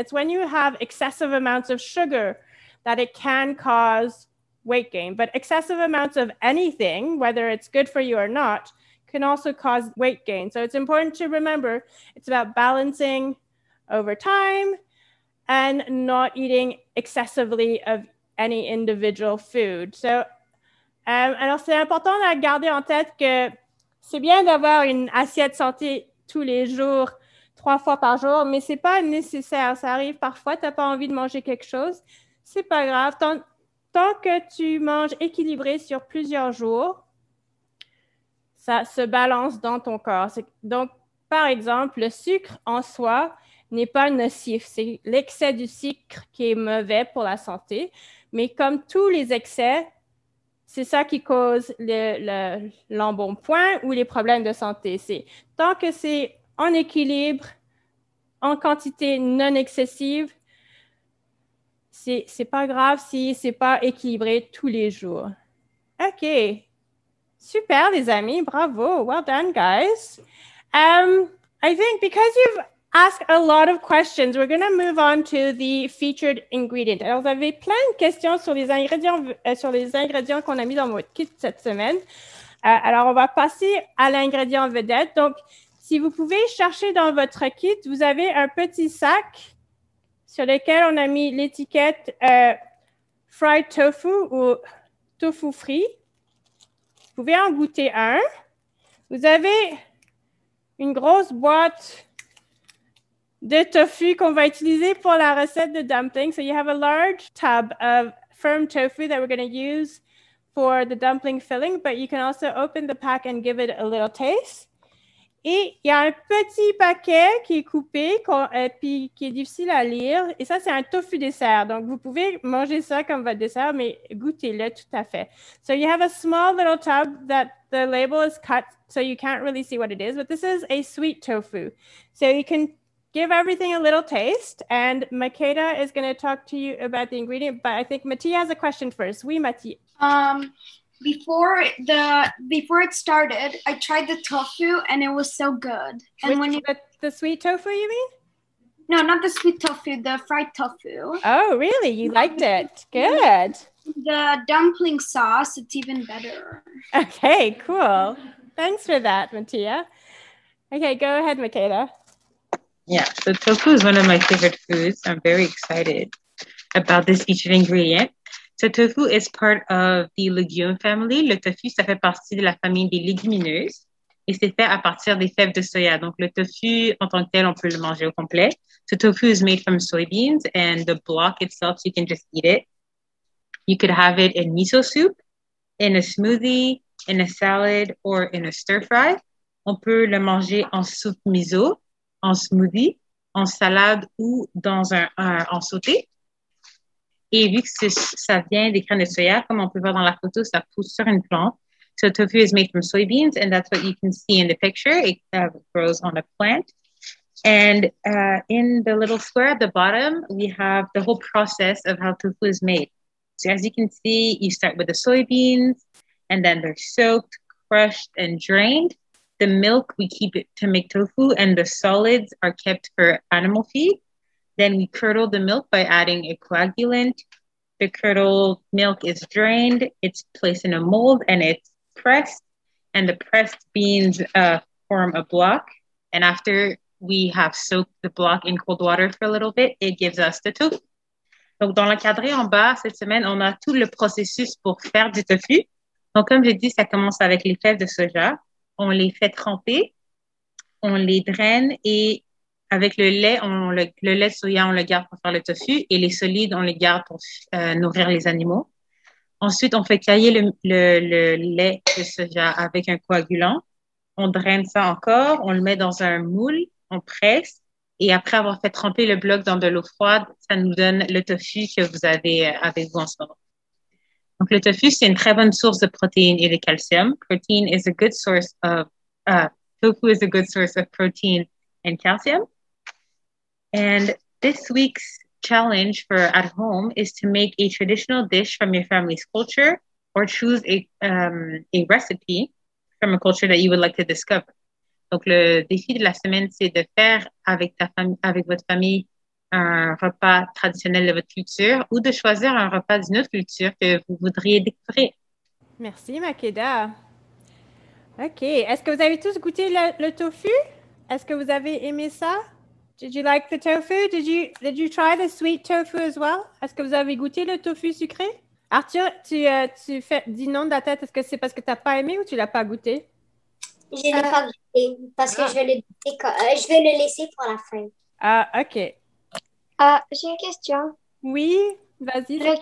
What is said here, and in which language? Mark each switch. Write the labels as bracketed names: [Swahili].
[English] It's when you have excessive amounts of sugar that it can cause weight gain, but excessive amounts of anything, whether it's good for you or not, can also cause weight gain. So it's important to remember it's about balancing over time and not eating excessively of any individual food. [French] So, alors c'est important à garder en tête que c'est bien d'avoir une assiette santé tous les jours, trois fois par jour, mais c'est pas nécessaire. Ça arrive parfois, t'as pas envie de manger quelque chose, c'est pas grave. Tant que tu manges équilibré sur plusieurs jours, ça se balance dans ton corps. Donc, par exemple, le sucre en soi n'est pas nocif. C'est l'excès du sucre qui est mauvais pour la santé. Mais comme tous les excès, c'est ça qui cause l'embonpoint ou les problèmes de santé. C'est tant que c'est en équilibre, en quantité non excessive, c'est pas grave si c'est pas équilibré tous les jours. OK. Super, les amis. Bravo. [English] Well done, guys. I think because you've asked a lot of questions, we're going to move on to the featured ingredient. [French] Alors, vous avez plein de questions sur les ingrédients qu'on a mis dans votre kit cette semaine. Alors, on va passer à l'ingrédient vedette. Donc, si vous pouvez chercher dans votre kit, vous avez un petit sac sur lesquels on a mis l'étiquette fried tofu ou tofu frit. Vous pouvez en goûter un. Vous avez une grosse boîte de tofu qu'on va utiliser pour la recette de dumplings. [English] So you have a large tub of firm tofu that we're going to use for the dumpling filling, but you can also open the pack and give it a little taste. [French] Et il y a un petit paquet qui est coupé qui est difficile à lire. Et ça, c'est un tofu dessert. Donc, vous pouvez manger ça comme votre dessert, mais goûtez-le tout à fait. [English] So, you have a small little tub that the label is cut, so you can't really see what it is. But this is a sweet tofu. So, you can give everything a little taste. And Makeda is going to talk to you about the ingredient. But I think Mati has a question first. [French] Oui, Mati. [English] Before it started, I tried the tofu and it was so good. And which, when you, the sweet tofu, you mean? No, not the sweet tofu, the fried tofu. Oh, really? You liked it? Good. The dumpling sauce, it's even better. Okay, cool. Thanks for that, Mattia. Okay, go ahead, Makeda. Yeah, so tofu is one of my favorite foods. I'm very excited about this each ingredient. So tofu is part of the legume family. [French] Le tofu, ça fait partie de la famille des légumineuses et c'est fait à partir des fèves de soya. Donc le tofu en tant que tel, on peut le manger au complet. [English] So tofu is made from soybeans and the block itself, you can just eat it. You could have it in miso soup, in a smoothie, in a salad or in a stir fry. [French] On peut le manger en soupe miso, en smoothie, en salade ou dans en sauté. Et vu que ça vient des graines de soya, comme on peut voir dans la photo, ça pousse sur une plante. [English] So tofu is made from soybeans, and that's what you can see in the picture. It grows on a plant. And in the little square at the bottom, we have the whole process of how tofu is made. So as you can see, you start with the soybeans, and then they're soaked, crushed, and drained. The milk, we keep it to make tofu, and the solids are kept for animal feed. Then we curdle the milk by adding a coagulant. The curdled milk is drained. It's placed in a mold and it's pressed. And the pressed beans form a block. And after we have soaked the block in cold water for a little bit, it gives us the tofu. [French] Donc dans le cadre en bas cette semaine, on a tout le processus pour faire du tofu. Donc comme je dis, ça commence avec les fèves de soja. On les fait tremper, on les draine et avec le lait de soya, on le garde pour faire le tofu et les solides, on les garde pour nourrir les animaux. Ensuite, on fait cailler le lait de soja avec un coagulant. On draine ça encore, on le met dans un moule, on presse et après avoir fait tremper le bloc dans de l'eau froide, ça nous donne le tofu que vous avez avec vous en ce moment. Donc, le tofu, c'est une très bonne source de protéines et de calcium. [English] Protein is a good source of, tofu is a good source of protein and calcium. And this week's challenge for at home is to make a traditional dish from your family's culture or choose a recipe from a culture that you would like to discover. [French] Donc le défi de la semaine, c'est de faire avec ta famille, avec votre famille, un repas traditionnel de votre culture ou de choisir un repas d'une autre culture que vous voudriez découvrir. Merci, Makeda. OK. Est-ce que vous avez tous goûté le tofu? Est-ce que vous avez aimé ça? [English] Did you like the tofu? Did you try the sweet tofu as well? [French] Est-ce que vous avez goûté le tofu sucré? Arthur, tu fais, dis non de la tête. Est-ce que c'est parce que tu n'as pas aimé ou tu ne l'as pas goûté? Je ne l'ai pas goûté parce que je vais le laisser pour la fin. Ah, OK. J'ai une question. Oui, vas-y.